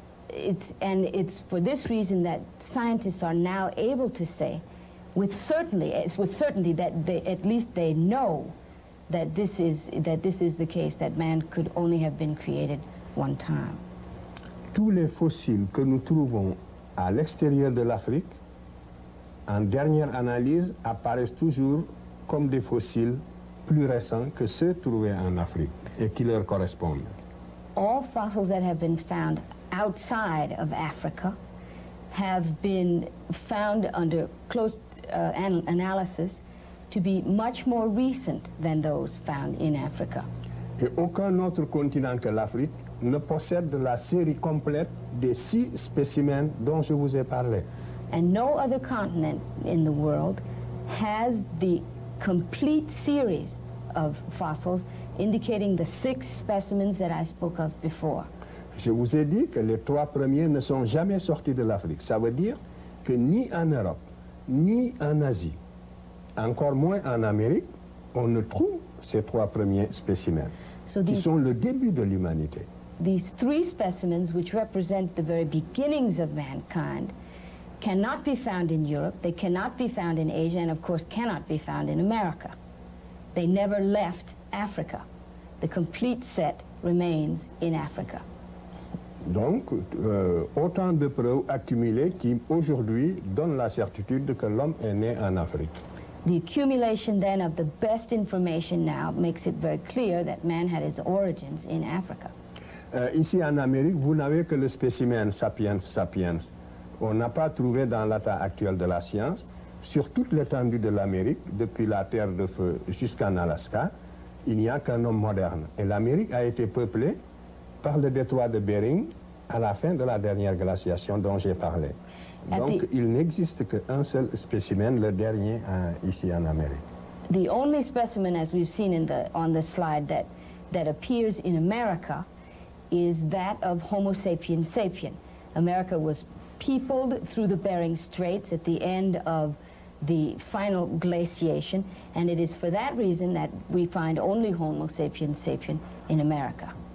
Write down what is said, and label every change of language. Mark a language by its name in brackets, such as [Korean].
[English] It's for this reason that scientists are now able to say with certainty that they, at least they know that this is the case, that man could only have been created one time. [French] Tous les fossiles que nous trouvons à l'extérieur de l'Afrique, en dernière analyse, apparaissent toujours comme des fossiles plus récents que ceux trouvés en Afrique et qui leur correspondent. [English] All fossils that have been found outside of Africa have been found under close analysis to be much more recent than those found in Africa. [French] Et aucun autre continent que l'Afrique ne possède la série complète des six spécimens dont je vous ai parlé. [English] And no other continent in the world has the complete series of fossils indicating the six specimens that I spoke of before. [French] Je vous ai dit que les trois premiers ne sont jamais sortis de l'Afrique. Ça veut dire que ni en Europe, ni en Asie, encore moins en Amérique, on ne trouve ces trois premiers spécimens, qui sont le début de l'humanité. [English] These three specimens, which represent the very beginnings of mankind, cannot be found in Europe, they cannot be found in Asia, and of course cannot be found in America. They never left Africa. The complete set remains in Africa. [French] Donc, autant de preuves accumulées qui aujourd'hui donnent la certitude que l'homme est né en Afrique. [English] The accumulation then of the best information now makes it very clear that man had his origins in Africa. [French] Ici en Amérique, vous n'avez que le spécimen Sapiens sapiens. On n'a pas trouvé dans l'état actuel de la science, sur toute l'étendue de l'Amérique, depuis la Terre de Feu jusqu'en Alaska, il n'y a qu'un homme moderne. Et l'Amérique a été peuplée par le détroit de Bering à la fin de la dernière glaciation dont j'ai parlé. Donc, il n'existe qu'un seul spécimen, le dernier ici en Amérique. [English] The only specimen, as we've seen in the on the slide, that appears in America is that of Homo sapiens sapiens. America was peopled through the Bering Straits at the end of the final glaciation, and it is for that reason that we find only Homo sapiens sapiens in America.